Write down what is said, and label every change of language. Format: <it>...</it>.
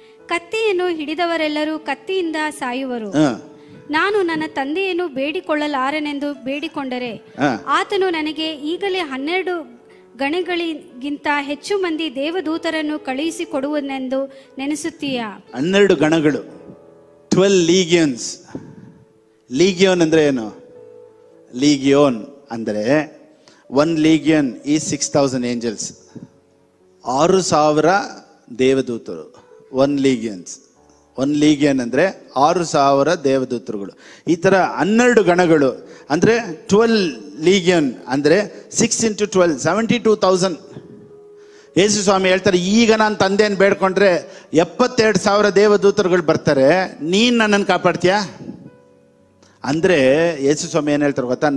<kn>ಕತ್ತಿಯನ್ನು ಹಿಡಿದವರೆಲ್ಲರೂ ಕತ್ತಿಯಿಂದ ಸಾಯುವರು, ನಾನು ನನ್ನ ತಂದೆಯನ್ನು ಬೇಡಿಕೊಳ್ಳಲಾರನೆಂದು ಬೇಡಿಕೊಂಡರೆ ಆತನು ನನಗೆ ಈಗಲೇ 12 ಗಣಗಳಿಗಿಂತ ಹೆಚ್ಚು ಮಂದಿ ದೇವದೂತರನ್ನು ಕಳುಹಿಸಿ ಕೊಡುವನೆಂದು ನೆನೆಸುತ್ತೀಯ? 12 ಗಣಗಳು,</kn> <en>12 legions.</en> <kn>ಲೀಗಿಯೋನ್ ಅಂದ್ರೆ ಏನು? ಲೀಗಿಯೋನ್ ಅಂದ್ರೆ</kn> <en>1 legion is 6,000 angels.</en> <kn>6,000 ದೇವದೂತರು. 1 legion ಅಂದ್ರೆ 6,000 ದೇವದೂತರುಗಳು. ಈ ತರ 12 ಗಣಗಳು ಅಂದ್ರೆ 12 legion ಅಂದ್ರೆ 6 × 12 = 72,000. ಯೇಸು ಸ್ವಾಮಿ ಹೇಳ್ತಾರೆ, ಈಗ ನಾನು ತಂದೆಯನ್ನು ಬೇಡ್ಕೊಂಡ್ರೆ 72,000 ದೇವದೂತರುಗಳು ಬರ್ತಾರೆ, ನೀನ್ ನನ್ನನ್ನು ಕಾಪಾಡ್ತೀಯ ಅಂದ್ರೆ ಯೇಸು ಸ್ವಾಮಿ ಏನ್ ಹೇಳ್ತಾರೆ ಗೊತ್ತಾ?</kn>